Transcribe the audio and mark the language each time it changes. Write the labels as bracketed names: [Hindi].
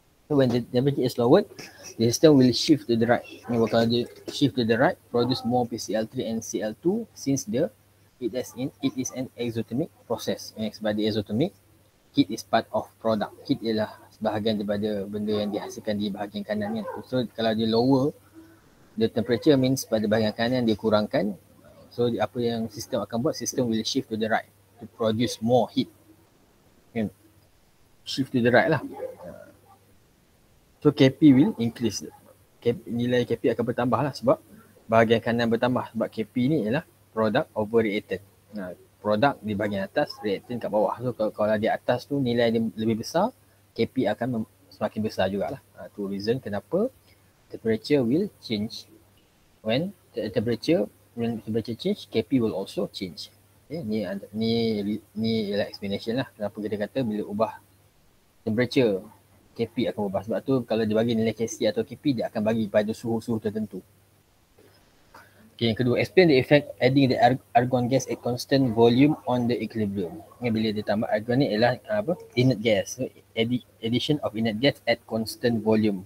[English] So when the temperature is lowered, the system will shift to the right. [Malay] Ini bakal dia [English] shift to the right, produce more PCl3 and Cl2 since the it is an exothermic process. Next, by the exothermic, heat is part of product. [Malay] Heat ialah sebahagian daripada benda yang dihasilkan di bahagian kanan kan. So kalau dia [English] lower the temperature [Malay] means pada bahagian kanan dia kurangkan. [English] So [Malay] apa yang sistem akan buat, [English] sistem will shift to the right to produce more heat. Kan? Shift to the right lah. So KP will increase. [Malay] Nilai KP akan bertambah lah sebab bahagian kanan bertambah. Sebab KP ni ialah product over reactant. Nah, product di bahagian atas, reactant kat bawah. So kalau di atas tu nilai dia lebih besar, KP akan semakin besar jugalah. [English] Tu reason kenapa temperature will change. When temperature change, KP will also change. [Malay] Okay, ni ialah explanation lah kenapa kita kata bila ubah temperature, KP akan berubah. Sebab tu kalau dia bagi nilai KC atau KP, dia akan bagi pada suhu-suhu tertentu. Okay, yang kedua, [English] explain the effect adding the argon gas at constant volume on the equilibrium. [Malay] Ini bila dia tambah argon ni ialah apa? [English] Inert gas. So, addition of inert gas at constant volume.